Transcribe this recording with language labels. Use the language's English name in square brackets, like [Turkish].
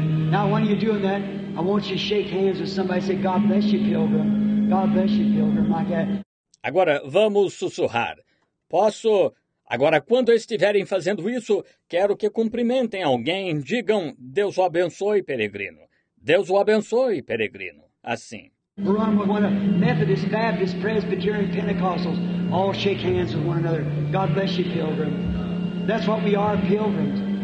[English] Now, when you're doing that, I want you to shake hands with somebody. Say, God bless you, Pilgrim. God bless you, Pilgrim, like that. [Portuguese] Agora, vamos sussurrar. Posso Agora, quando estiverem fazendo isso, quero que cumprimentem alguém, digam, Deus o abençoe, peregrino. Deus o abençoe, peregrino. Assim. [English] Run with one another. Methodist, Baptist, Presbyterian, Pentecostals, all shake hands with one another. God bless you, pilgrim. That's what we are, pilgrims.